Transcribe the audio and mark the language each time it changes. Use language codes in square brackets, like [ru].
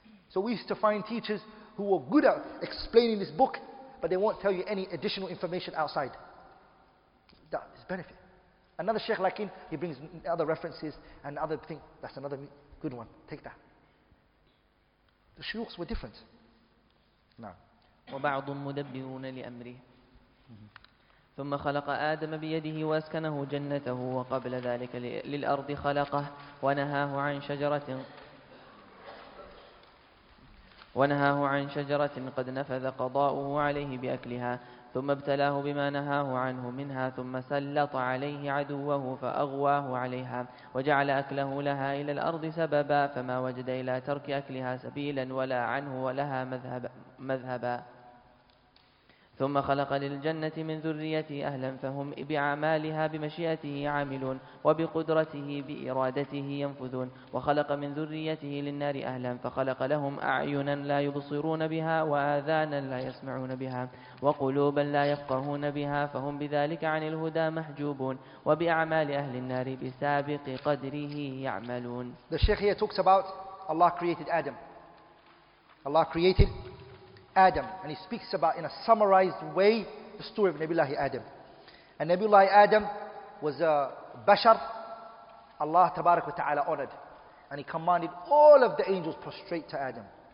[en] So we used to find teachers who were good at explaining this book, but they won't tell you any additional information outside. That is benefit. Another sheikh like him, he brings other references and other things. That's another good one. Take that. The shuyukhs were different. No. [ar] وبعض مدبرون لأمره ثم خلق آدم بيده وأسكنه جنته وقبل ذلك للأرض خلقه ونهاه عن شجرة ونهاه عن شجرة قد نفذ قضاؤه عليه بأكلها ثم ابتلاه بما نهاه عنه منها ثم سلط عليه عدوه فأغواه عليها وجعل أكله لها إلى الأرض سببا فما وجد إلى ترك أكلها سبيلا ولا عنه ولها مذهبا ثم خلق للجنة من ذريته أهلا فهم بعمالها بمشيئته عاملون وبقدرته بإرادته ينفذون وخلق من ذريته للنار أهلا فخلق لهم أعينا لا يبصرون بها وآذانا لا يسمعون بها وقلوبا لا يفقهون بها فهم بذلك عن الهدى محجوبون وبأعمال أهل النار بسابق قدره يعملون. [en] The sheikh here talks about Allah created Adam. Allah created Adam, and he speaks about in a summarized way the story of Nabiullah Adam. And Nabiullah Adam was a bashar Allah tabarak wa ta'ala honored, and he commanded all of the angels prostrate to Adam.